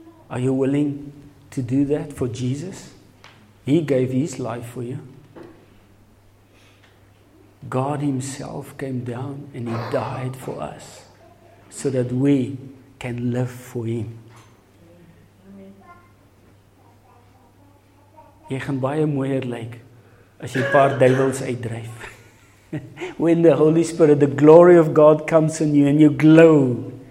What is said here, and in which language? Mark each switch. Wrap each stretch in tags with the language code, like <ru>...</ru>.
<en>Are you willing to do that for Jesus? He gave His life for you. God Himself came down and He died for us so that we can live for Him.</en> <af>Jy gaan baie mooier lyk as jy 'n paar duiwels uitdryf.</af> <en>When the Holy Spirit, the glory of God comes in you and you glow.</en>